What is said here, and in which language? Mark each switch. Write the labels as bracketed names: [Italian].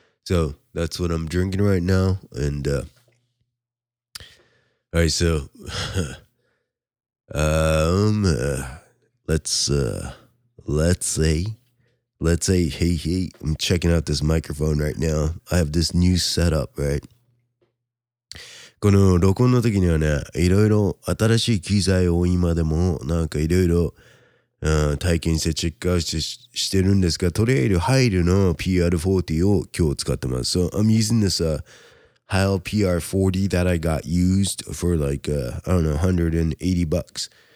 [English] So that's what I'm drinking right now, andAll right, so, let's say, hey, I'm checking out this microphone right now. I have this new setup, right? [Japanese] この録音の時にはね、いろいろ新しい機材を今でもなんかいろいろ体験してチェックアウトしてるんですが、とりあえずハイルの PR40 を今日使ってます。 [English] So, I'm using this, Heil PR40 that I got used for like, I don't know, $180.